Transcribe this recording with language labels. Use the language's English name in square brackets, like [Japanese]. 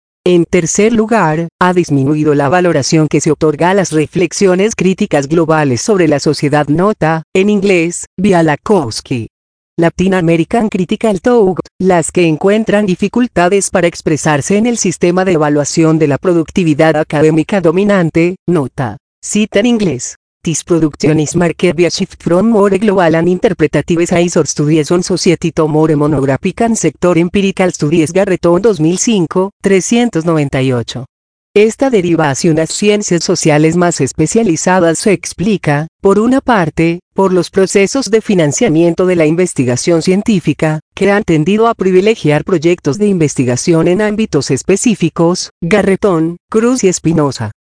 [Spanish] En tercer lugar, ha disminuido la valoración que se otorga a las reflexiones críticas globales sobre la sociedad nota, en inglés, Bialakowski. [English] Latin American Critical Thought, [Spanish] las que encuentran dificultades para expresarse en el sistema de evaluación de la productividad académica dominante, nota. Cita en inglés. [English] This production is marked by a shift from more global and interpretative science or studies on society to more monographic and sector empirical studies. [Spanish] Garreton 2005, 398. Esta deriva hacia unas ciencias sociales más especializadas se explica, por una parte, por los procesos de financiamiento de la investigación científica, que han tendido a privilegiar proyectos de investigación en ámbitos específicos, Garretón, Cruz y Espinosa.